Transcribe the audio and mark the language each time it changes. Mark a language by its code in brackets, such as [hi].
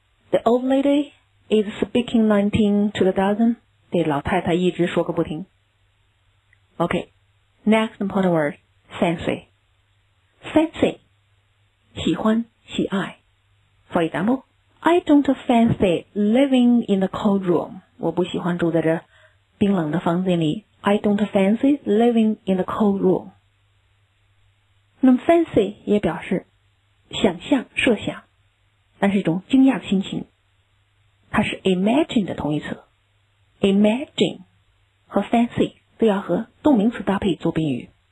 [en] The old lady is speaking 19 to the dozen. [zh] 这老太太一直说个不停。 [en] OK, next important word, fancy. Fancy, [zh] 喜欢喜爱。 [en] For example, I don't fancy living in the cold room. [zh] 我不喜欢住在这冰冷的房间里。 [en] I don't fancy living in the cold room. [zh] 那么 fancy 也表示想象设想，但是一种惊讶的心情，它是 imagine 的同义词。 imagine 和 fancy 都要和动名词搭配做宾语。